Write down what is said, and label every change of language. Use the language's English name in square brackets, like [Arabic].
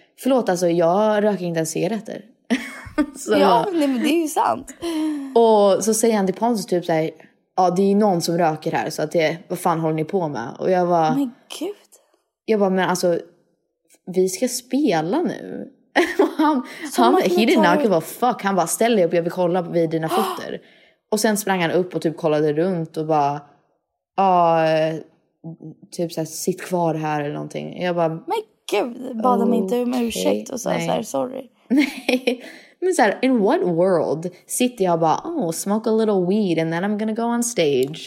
[Swedish] Förlåt alltså, jag röker inte ens cigaretter. Så. Ja, nej, men det är ju sant. Och så säger han till Pontus typ så här, ja, det är ju någon som röker här, så att det, vad fan håller ni på med? Och jag bara, men gud. Jag bara, men alltså, vi ska spela nu. Och han [English] he did not give a fuck. [Swedish] Han bara, ställ dig upp, jag vill kolla vid dina fötter. Och sen sprang han upp och typ kollade runt och bara, ja, typ så här, sitt kvar här eller någonting. Jag bara, men gud, bad om inte om ursäkt och sa så här, sorry. Nej, men så här, [English] in what world [Swedish] sitter jag bara, [English] oh, smoke a little weed and then I'm gonna go on stage.